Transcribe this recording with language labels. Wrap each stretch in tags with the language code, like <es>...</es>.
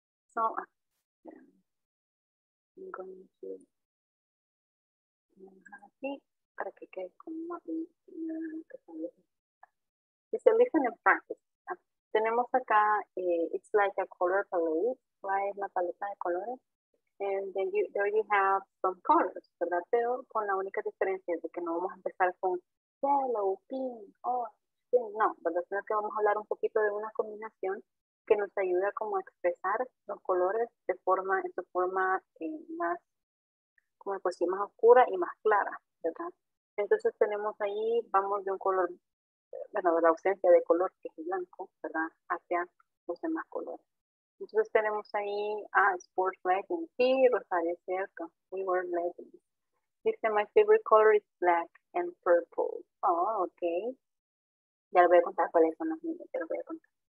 <en>So, I'm going to</en> <es>para que quede con más</es> <en>listen and practice.</en> <es>Tenemos acá</es> <en>it's like a color palette, right?</en> <es>La paleta de colores.</es> <en>And then there you have some colors,</en> <es>¿verdad? Pero con la única diferencia de que no vamos a empezar con yellow, pink, orange, pink, no, ¿verdad? Sino que vamos a hablar un poquito de una combinación que nos ayuda como a expresar los colores de forma, en su forma más, como pues sí, más oscura y más clara, ¿verdad? Entonces tenemos ahí, vamos de un color, bueno, de la ausencia de color, que es el blanco, ¿verdad? Hacia los demás colores. Entonces tenemos ahí a sports leggings. Sí, Rosario, cierto.</es> <en>We wear leggings. Dice, my favorite color is black and purple. Oh, okay.</en> <es>Ya le voy a contar cuáles son los míos, ya lo voy a contar.</es>